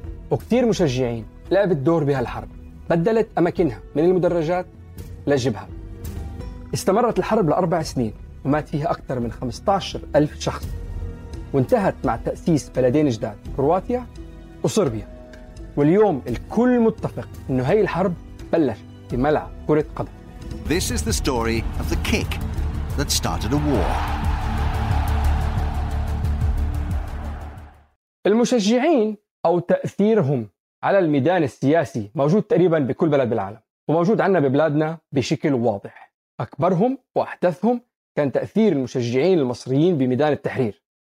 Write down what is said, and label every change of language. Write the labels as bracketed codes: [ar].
[ar] وكتير مشجعين لعبت دور بهالحرب، بدلت أماكنها من المدرجات للجبهة. استمرت الحرب لأربع سنين ومات فيها أكثر من 15 ألف شخص، وانتهت مع تأسيس بلدين جداد كرواتيا وصربيا. واليوم الكل متفق إنه هاي الحرب بلش في ملعب كرة قدم. [en] This is the story of the kick that started a war. [ar] المشجعين أو تأثيرهم على الميدان السياسي موجود تقريبا بكل بلد بالعالم، وموجود عنا ببلادنا بشكل واضح. أكبرهم وأحدثهم كان تأثير المشجعين المصريين بميدان التحرير.